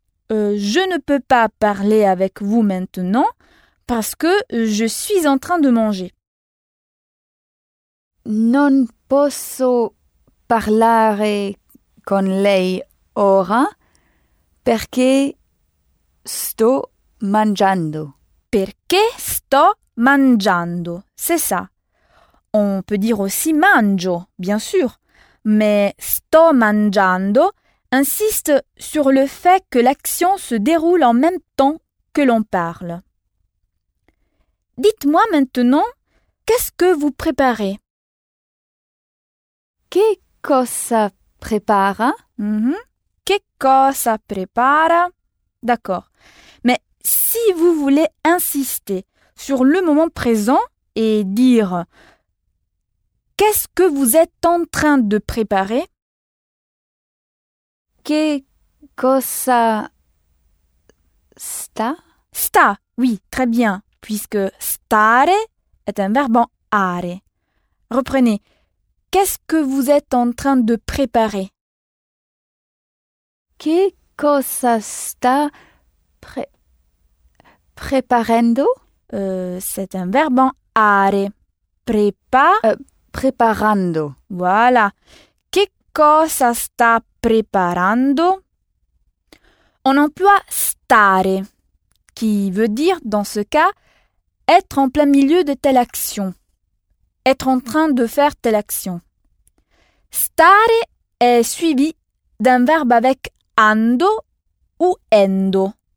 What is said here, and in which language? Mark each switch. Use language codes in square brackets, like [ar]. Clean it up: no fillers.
[fr] Je ne peux pas parler avec vous maintenant parce que je suis en train de manger. [it] Non posso parlare con lei ora perché sto mangiando. Perché sto mangiando, [fr] c'est ça. On peut dire aussi mangio, bien sûr, mais [it] sto mangiando [fr] insiste sur le fait que l'action se déroule en même temps que l'on parle. Dites-moi maintenant, qu'est-ce que vous préparez? [it] Che cosa prepara? Mm-hmm. Che cosa prepara? D'accord. [fr] Mais si vous voulez insister sur le moment présent et dire qu'est-ce que vous êtes en train de préparer? [it] Che cosa sta? [fr] Sta, oui, très bien, puisque stare est un verbe en are. Reprenez. Qu'est-ce que vous êtes en train de préparer? [it] Che cosa sta preparando? [fr] C'est un verbe en are. Preparando. Voilà. [it] Che cosa sta preparando? [fr] On emploie stare, qui veut dire, dans ce cas, être en plein milieu de telle action. Être en train de faire telle action. Stare est suivi d'un verbe avec ando ou endo.